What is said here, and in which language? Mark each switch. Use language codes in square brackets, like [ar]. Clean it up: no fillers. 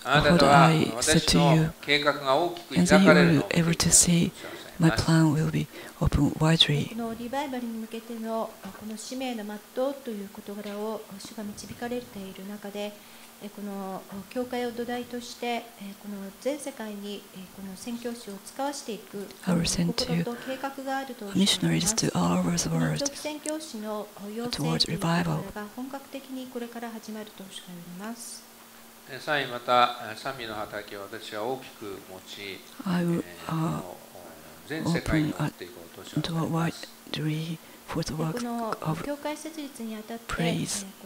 [en] And then you will be able to see my plan will be open widely. [ja] このリバイバルに向けてのこの使命の全うという事柄を主が導かれている中で、この教会を土台としてこの全世界にこの宣教師を使わせていく心と計画があるとしています。 [en] Missionaries to all over the world towards revival [ja] が本格的にこれから始まると主が言います。さらにまた賛美の畑を私は大きく持ち、 [en] Open to a wide degree for the work of praise.